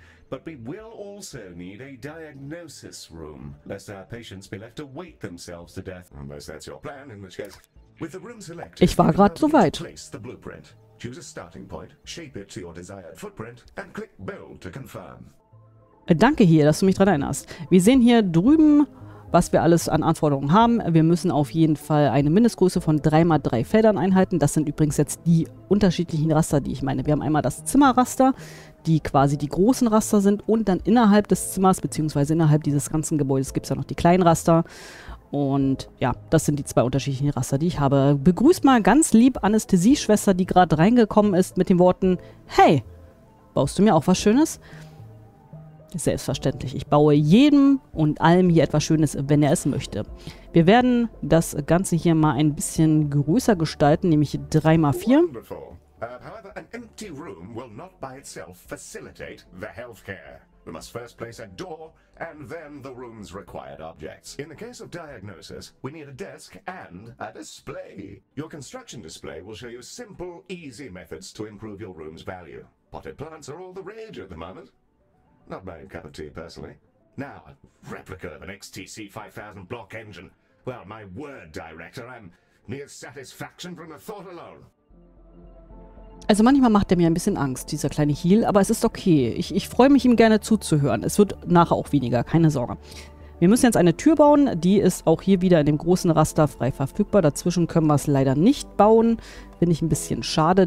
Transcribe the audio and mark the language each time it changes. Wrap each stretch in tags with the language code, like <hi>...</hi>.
<en>But we will also need a diagnosis room, lest our patients be left to wait themselves to death. Unless that's your plan, in which case, with the room selected,</en> <de>ich war gerade so weit.</de> <en>Place the blueprint. Choose a starting point, shape it to your desired footprint, and click build to confirm.</en> <de>Danke hier, dass du mich dran erinnerst. Wir sehen hier drüben, was wir alles an Anforderungen haben. Wir müssen auf jeden Fall eine Mindestgröße von 3x3 Feldern einhalten. Das sind übrigens jetzt die unterschiedlichen Raster, die ich meine. Wir haben einmal das Zimmerraster, die quasi die großen Raster sind. Und dann innerhalb des Zimmers bzw. innerhalb dieses ganzen Gebäudes gibt es ja noch die kleinen Raster. Und ja, das sind die zwei unterschiedlichen Raster, die ich habe. Begrüßt mal ganz lieb Anästhesieschwester, die gerade reingekommen ist mit den Worten, hey, baust du mir auch was Schönes? Selbstverständlich. Ich baue jedem und allem hier etwas Schönes, wenn er es möchte. Wir werden das Ganze hier mal ein bisschen größer gestalten, nämlich 3x4.</de> <en>However, an empty room will not by itself facilitate the healthcare. We must first place a door and then the room's required objects. In the case of diagnosis, we need a desk and a display. Your construction display will show you simple, easy methods to improve your room's value. Potted plants are all the rage at the moment. Not my own cup of tea, personally. Now, a replica of an XTC 5000 block engine. Well, my word, Director, I'm near satisfaction from the thought alone.</en> <de>Also manchmal macht er mir ein bisschen Angst, dieser kleine Heel, aber es ist okay. Ich freue mich, ihm gerne zuzuhören. Es wird nachher auch weniger, keine Sorge. Wir müssen jetzt eine Tür bauen, die ist auch hier wieder in dem großen Raster frei verfügbar. Dazwischen können wir es leider nicht bauen, finde ich ein bisschen schade.</de>